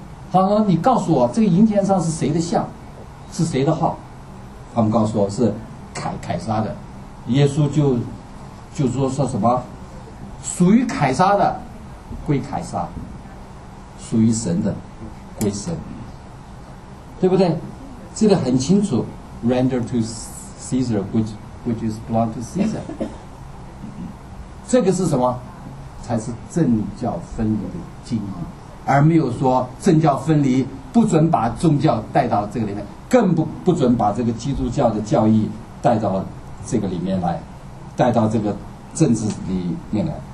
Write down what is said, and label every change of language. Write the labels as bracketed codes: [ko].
[zh] 他说你告诉我这个银钱上是谁的像，是谁的号，他们告诉我是凯撒的。耶稣就说什么属于凯撒的归凯撒，属于神的归神，对不对？这个很清楚。 [en] render to Caesar, which is belong to Caesar. [zh] 这个是什么？才是政教分离的精义，而没有说政教分离不准把宗教带到这个里面，更不准把这个基督教的教义带到这个里面来，带到这个政治里面来。